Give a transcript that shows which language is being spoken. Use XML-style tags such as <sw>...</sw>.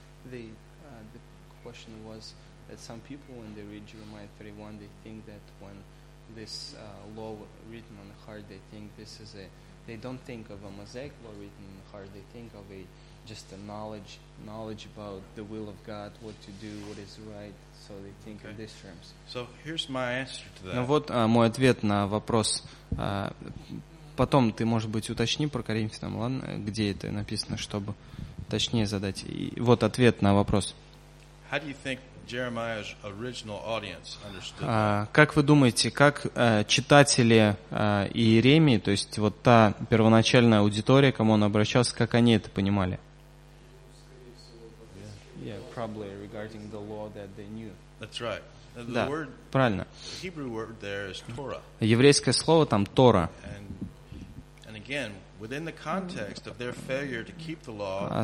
<en>The question was that some people, when they read Jeremiah 31, they think that when this law written on the heart, they think this is a. They don't think of a Mosaic law written in the heart. They think of a just a knowledge about the will of God, what to do, what is right. So they think in these terms. So here's my answer to that.</en> <ru>Ну вот мой ответ на вопрос. Потом ты, может быть, уточни про Коринфянам, ладно? Где это написано, чтобы точнее задать. И вот ответ на вопрос.</ru> <en>How do you think Jeremiah's original audience understood?</en> <ru>Как вы думаете, как читатели Иеремии, то есть вот та первоначальная аудитория, кому он обращался, как они это понимали?</ru> <en>Yeah, probably regarding the law that they knew. That's right.</en> <ru>Да, правильно.</ru> <en>Hebrew word there is Torah.</en> <ru>Еврейское слово там Тора.</ru> <en>And again, within the context of their failure to keep the law.</en>